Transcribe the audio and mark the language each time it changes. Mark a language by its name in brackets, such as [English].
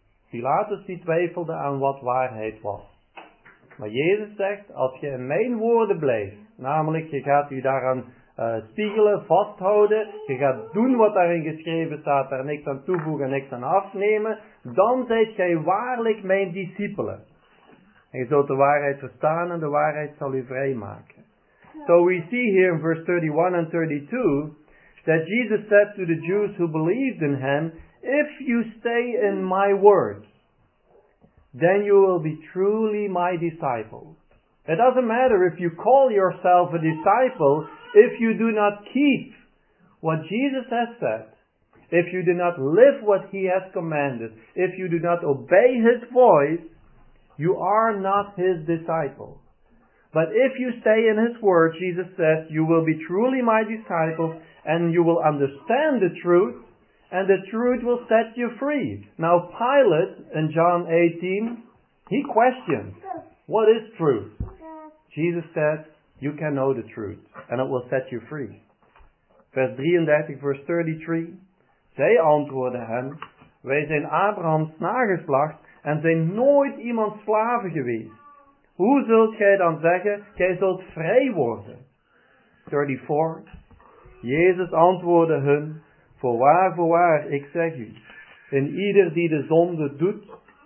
[Dutch] Pilatus die twijfelde aan wat waarheid was. Maar Jezus zegt, als gij in mijn woorden blijft, namelijk je gaat u daaraan spiegelen, vasthouden, je gaat doen wat daarin geschreven staat, daar niks aan toevoegen, niks aan afnemen, dan zijt gij waarlijk mijn discipelen. En je zult de waarheid verstaan en de waarheid zal u vrijmaken. Ja. [English] So we see here in verse 31 and 32, that Jesus said to the Jews who believed in him, if you stay in my word, then you will be truly my disciples. It doesn't matter if you call yourself a disciple, if you do not keep what Jesus has said, if you do not live what he has commanded, if you do not obey his voice, you are not his disciple. But if you stay in his word, Jesus says, you will be truly my disciples and you will understand the truth and the truth will set you free. Now Pilate in John 18, he questioned, what is truth? Jesus said, you can know the truth, and it will set you free. [Dutch] Vers 33, [English] verse 33. [Dutch] Zij antwoordde hem, wij zijn Abrahams nageslacht en zijn nooit iemand slaven geweest. Hoe zult gij dan zeggen, gij zult vrij worden? 34. Jezus antwoordde hun, voorwaar, ik zeg u, in ieder die de zonde doet,